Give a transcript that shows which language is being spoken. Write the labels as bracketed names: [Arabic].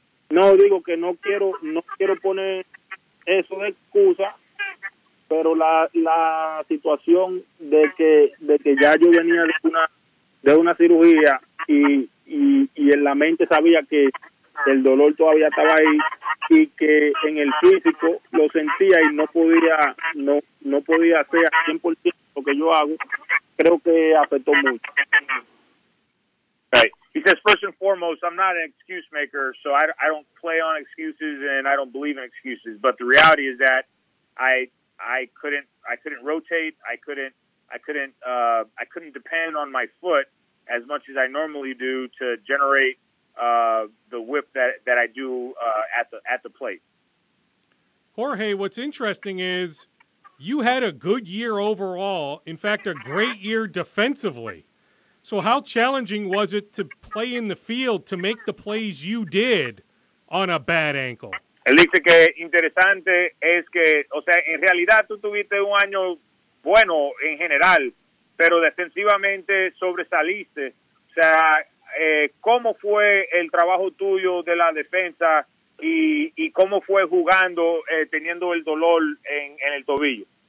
[Spanish] No, digo que no quiero poner eso de excusa, pero la situación de que ya yo venía de una cirugía y en la mente sabía que el dolor todavía estaba ahí y que en el físico lo sentía y no podía hacer al 100% lo que yo hago, creo que afectó mucho. [English] Right. He says, first and foremost, I'm not an excuse maker, so I don't play on excuses and I don't believe in excuses, but the reality is that I couldn't rotate. I couldn't depend on my foot as much as I normally do to generate the whip that I do at the plate. Jorge, what's interesting is you had a good year overall. In fact, a great year defensively. So how challenging was it to play in the field to make the plays you did on a bad ankle? [Spanish] Elise, que interesante es que, o sea, en realidad tú tuviste un año bueno en general, pero defensivamente sobresaliste. O sea, ¿cómo fue el trabajo tuyo de la defensa y cómo fue jugando teniendo el dolor en el tobillo?